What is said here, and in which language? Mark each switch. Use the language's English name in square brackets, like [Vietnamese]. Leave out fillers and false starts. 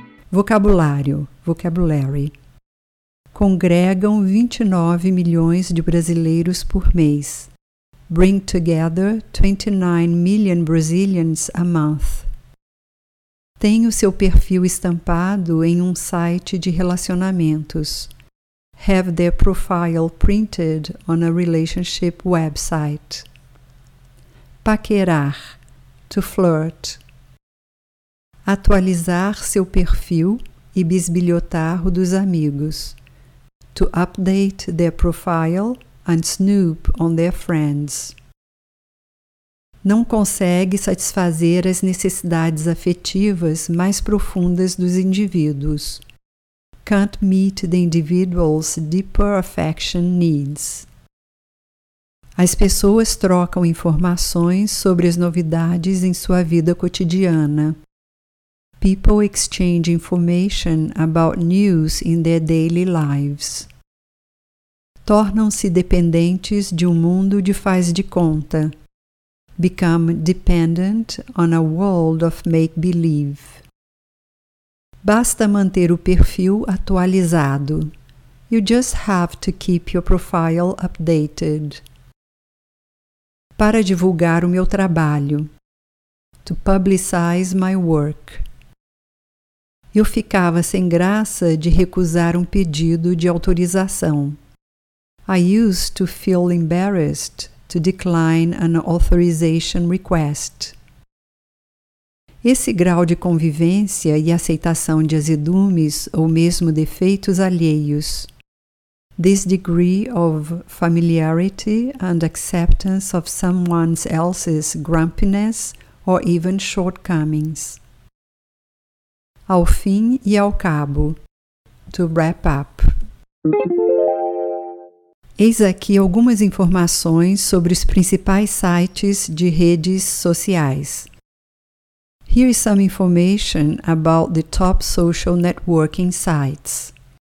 [English] Vocabulary. [Portuguese] Congregam 29 milhões de brasileiros por mês. [English] Bring together 29 million Brazilians a month. [Portuguese] Tem o seu perfil estampado em um site de relacionamentos. [English] Have their profile printed on a relationship website. Paquerar, to flirt. [Portuguese] Atualizar seu perfil e bisbilhotar o dos amigos. [English] To update their profile and snoop on their friends. [Portuguese] Não consegue satisfazer as necessidades afetivas mais profundas dos indivíduos. [English] Can't meet the individual's deeper affection needs. [Portuguese] As pessoas trocam informações sobre as novidades em sua vida cotidiana. [English] People exchange information about news in their daily lives. [Portuguese] Tornam-se dependentes de um mundo de faz de conta. [English] Become dependent on a world of make-believe. [Portuguese] Basta manter o perfil atualizado. [English] You just have to keep your profile updated. [Portuguese] para divulgar o meu trabalho. [English] To publicize my work. [Portuguese] Eu ficava sem graça de recusar um pedido de autorização. [English] I used to feel embarrassed to decline an authorization request. [Portuguese] Esse grau de convivência e aceitação de azedumes ou mesmo defeitos alheios. [English] This degree of familiarity and acceptance of someone else's grumpiness or even shortcomings. [Portuguese] Ao fim e ao cabo. [English] To wrap up. [Portuguese] Eis aqui algumas informações sobre os principais sites de redes sociais. [English] Here is some information about the top social networking sites.